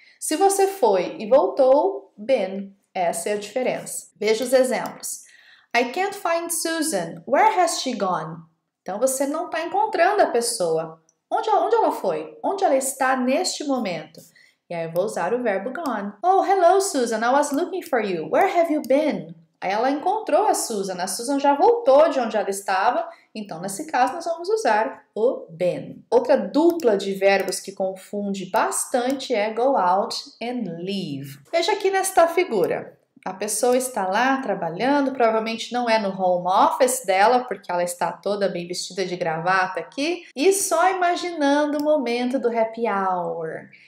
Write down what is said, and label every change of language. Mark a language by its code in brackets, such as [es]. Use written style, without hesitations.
[pt] Se você foi e voltou, been. Essa é a diferença. Veja os exemplos. [en] I can't find Susan. Where has she gone? [pt] Então, você não está encontrando a pessoa. Onde ela foi? Onde ela está neste momento? E aí, eu vou usar o verbo gone. [en] Oh, hello, Susan. I was looking for you. Where have you been? [pt] Aí, ela encontrou a Susan. A Susan já voltou de onde ela estava. Então, nesse caso, nós vamos usar o been. Outra dupla de verbos que confunde bastante é go out and leave. Veja aqui nesta figura. A pessoa está lá trabalhando, provavelmente não é no home office dela, porque ela está toda bem vestida de gravata aqui, e só imaginando o momento do happy hour.